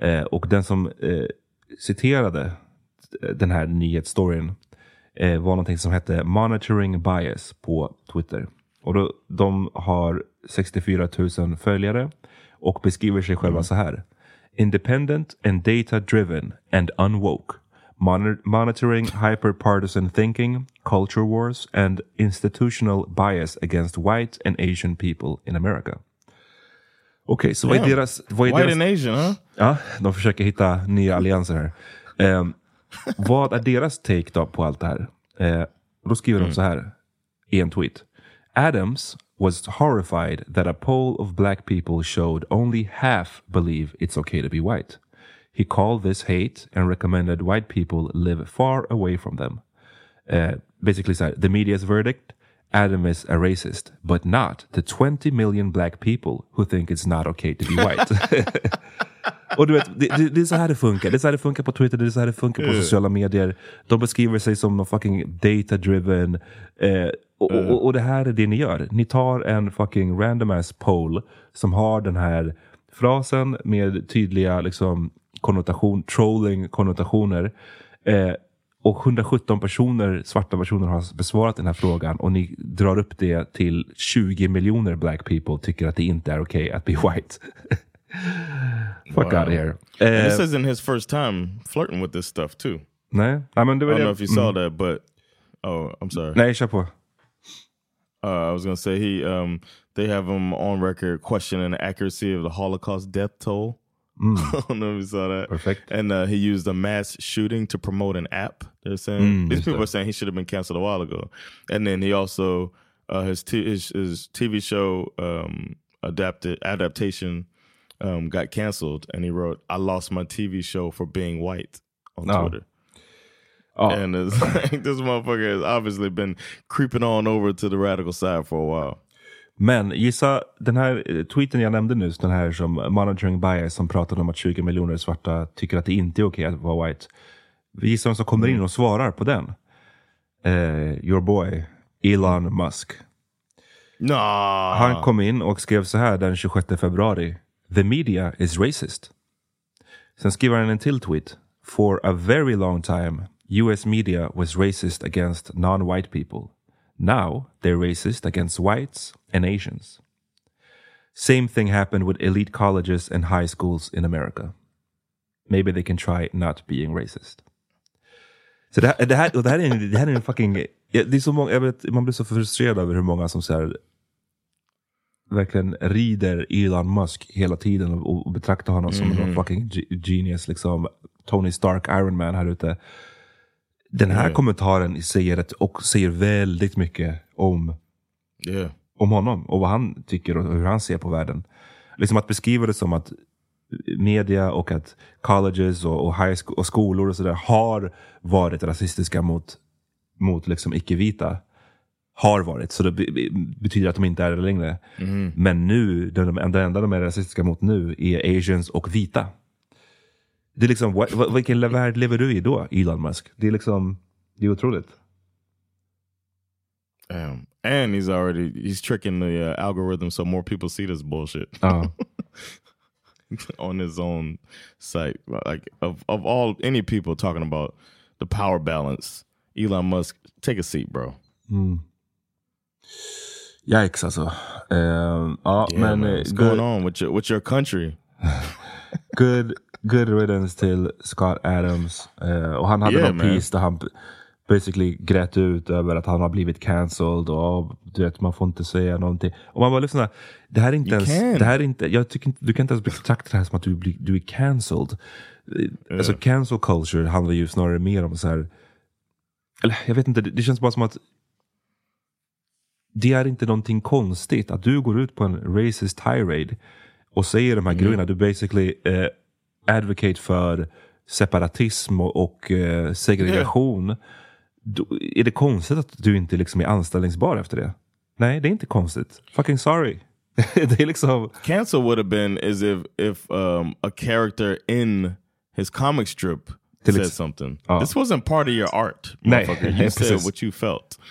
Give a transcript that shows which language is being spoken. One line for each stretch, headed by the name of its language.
Swedish: Och den som citerade den här nyhetsstoryn var någonting som hette Monitoring Bias på Twitter. Och då, de har 64 000 följare och beskriver sig själva så här:
English: Independent and data-driven and unwoke. Monitoring hyper-partisan thinking, culture wars and institutional bias against white and Asian people in America.
Swedish: Okej, okay, så vad är deras...
English: White
Swedish: deras,
English: and Asian, huh?
Swedish: Ja, de försöker hitta nya allianser här. Vad är deras take då på allt det här? Då skriver de så här i en tweet:
English: Adams was horrified that a poll of black people showed only half believe it's okay to be white. He called this hate and recommended white people live far away from them. Basically, sorry, the media's verdict: Adam is a racist, but not the 20 million black people who think it's not okay to be white.
Swedish: Och du vet, det är så här det funkar. Det är så här det funkar på Twitter, det är så här det funkar på sociala medier. De beskriver sig som någon fucking data-driven. Och det här är det ni gör. Ni tar en fucking random-ass poll som har den här frasen med tydliga liksom, trolling-konnotationer. Och 117 personer, svarta personer, har besvarat den här frågan. Och ni drar upp det till 20 miljoner
English: black people
Swedish: tycker att det inte är okej att
English: be white. Fuck out of here. This isn't his first time flirting with this stuff too.
Swedish: Nej,
English: I mean, I don't know if you saw that, but oh, I'm sorry.
Swedish: Nej, kör på.
English: I was gonna say they have him on record questioning the accuracy of the Holocaust death toll. Mm. I don't know if you saw that. Perfect. And he used a mass shooting to promote an app. They're saying these people are saying he should have been canceled a while ago. And then he also his TV show adaptation. Got canceled, and he wrote, "I lost my TV show for being white" on Twitter. Oh. And it's like, this motherfucker has obviously been creeping on over to the radical side for a while.
Swedish: Men gissa, den här tweeten jag nämnde nyss, den här som Monitoring Bias, som pratade om att 20 miljoner svarta tycker att det inte är okej att vara white. Gissa vem som kommer in och svarar på den.
English: Your boy, Elon Musk. No.
Swedish: Han kom in och skrev så här den 26 februari.
English: The media is racist.
Swedish: Sen skriver han en till tweet.
English: For a very long time, US media was racist against non-white people. Now, they're racist against whites and Asians. Same thing happened with elite colleges and high schools in America. Maybe they can try not being racist.
Swedish: Så det här är en fucking... Det är så många, jag vet, man blir så frustrerad över hur många som så här, verkligen rider Elon Musk hela tiden och betraktar honom som en fucking genius, liksom Tony Stark, Iron Man här ute. Den här kommentaren säger väldigt mycket om honom och vad han tycker och hur han ser på världen. Liksom att beskriva det som att media och att colleges och high school och skolor och sådär har varit rasistiska mot liksom icke-vita, har varit, så det betyder att de inte är det längre. Men nu, det enda de är rasistiska mot nu är Asians och vita. Det är liksom, vilken värld lever du i då, Elon Musk? Det är liksom, det är otroligt.
English: And he's tricking the algorithm so more people see this bullshit. On his own site, like of all any people talking about the power balance, Elon Musk, take a seat, bro.
Swedish: Yikes, alltså.
English: Man, what's going on with your country? good riddance till Scott Adams.
Swedish: Och han hade någon piece där han basically grät ut över att han har blivit cancelled och du vet, man får inte säga någonting. Och man bara lyssna, det här är inte ens, det här är inte, jag tycker inte, du kan inte ens betrakta det här som att du är cancelled. Alltså cancel culture handlar ju snarare mer om så här. Eller jag vet inte, det känns bara som att det är inte någonting konstigt att du går ut på en racist tirade och säger de här grejerna. Du basically advocate för separatism och segregation. Är det konstigt att du inte liksom är anställningsbar efter det? Nej, det är inte konstigt.
English: Fucking sorry.
Swedish: Det är liksom...
English: Cancel would have been as if a character in his comic strip said something. This wasn't part of your art, motherfucker.
Swedish: Nej,
English: you said
Swedish: precis
English: what you felt.